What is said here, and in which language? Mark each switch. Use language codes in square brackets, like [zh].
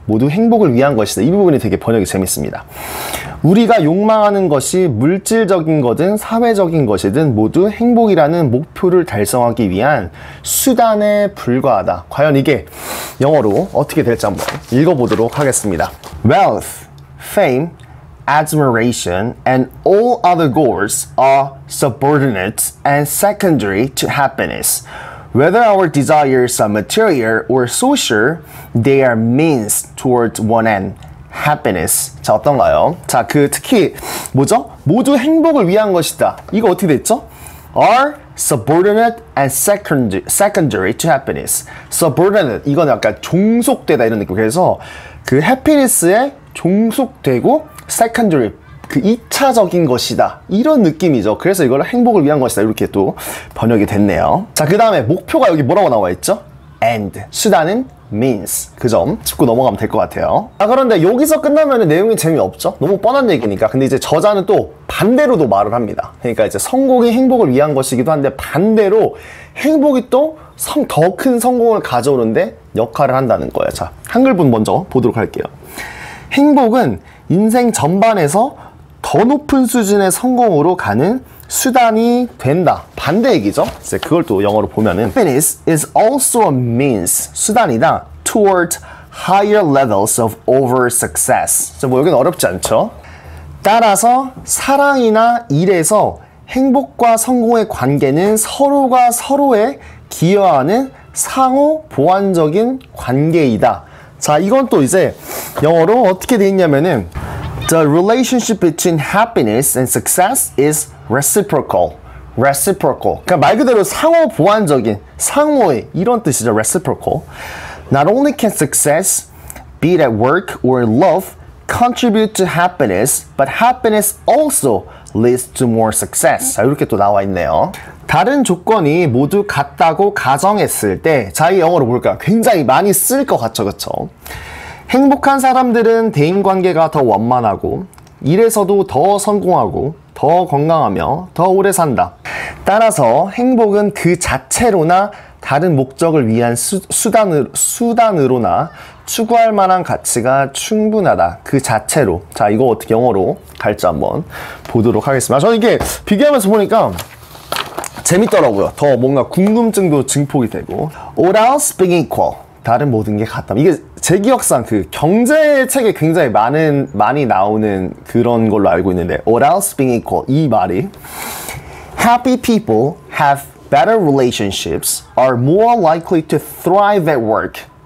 [ko] 모두 행복을 위한 것이다. 이 부분이 되게 번역이 재밌습니다. 우리가 욕망하는 것이 물질적인 거든 사회적인 것이든 모두 행복이라는 목표를 달성하기 위한 수단에 불과하다. 과연 이게 영어로 어떻게 될지 한번 읽어보도록 하겠습니다. [en] Wealth, fame, admiration, and all other goals are subordinate and secondary to happiness. Whether our desires are material or social, they are means towards one end. [ko] Happiness. 자, 어떤가요? 자, 그 특히 뭐죠? 모두 행복을 위한 것이다. 이거 어떻게 됐죠? [en] Are subordinate and secondary to happiness. Subordinate. [ko] 이건 약간 종속되다 이런 느낌. 그래서 그 happiness에 종속되고 secondary. 그 2차적인 것이다. 이런 느낌이죠. 그래서 이걸 행복을 위한 것이다. 이렇게 또 번역이 됐네요. 자, 그 다음에 목표가 여기 뭐라고 나와 있죠? And. 수단은 means. 그 점 짚고 넘어가면 될 것 같아요. 아, 그런데 여기서 끝나면 내용이 재미없죠? 너무 뻔한 얘기니까. 근데 이제 저자는 또 반대로도 말을 합니다. 그러니까 이제 성공이 행복을 위한 것이기도 한데 반대로 행복이 또 더 큰 성공을 가져오는데 역할을 한다는 거예요. 자, 한글본 먼저 보도록 할게요. 행복은 인생 전반에서 더 높은 수준의 성공으로 가는 수단이 된다. 반대 얘기죠. 이제 그걸 또 영어로 보면은 [en] Happiness is also a means, [ko] 수단이다, [en] towards higher levels of over success. [ko] 뭐 여기는 어렵지 않죠? 따라서 사랑이나 일에서 행복과 성공의 관계는 서로가 서로에 기여하는 상호 보완적인 관계이다. 자, 이건 또 이제 영어로 어떻게 돼 있냐면은 [en] The relationship between happiness and success is reciprocal. Reciprocal. [ko] 그러니까 말 그대로 상호 보완적인, 상호의 이런 뜻이죠. [en] Reciprocal. Not only can success, be it at work or in love, contribute to happiness, but happiness also leads to more success. [ko] 자, 이렇게 또 나와 있네요. 다른 조건이 모두 같다고 가정했을 때, 자, 이 영어로 볼까? 굉장히 많이 쓸 것 같죠, 그쵸? 행복한 사람들은 대인관계가 더 원만하고 일에서도 더 성공하고 더 건강하며 더 오래 산다. 따라서 행복은 그 자체로나 다른 목적을 위한 수단으로나 추구할 만한 가치가 충분하다. 그 자체로. 자, 이거 어떻게 영어로 갈지 한번 보도록 하겠습니다. 저는 이게 비교하면서 보니까 재밌더라고요. 더 뭔가 궁금증도 증폭이 되고 [en] All else being equal. [ko] 다른 모든 게 같다. 이게 제 기억상 그 경제 책에 굉장히 많이 나오는 그런 걸로 알고 있는데 [en] All else being equal [ko] 이 말이 [en] Happy people have better relationships are more likely to thrive at work.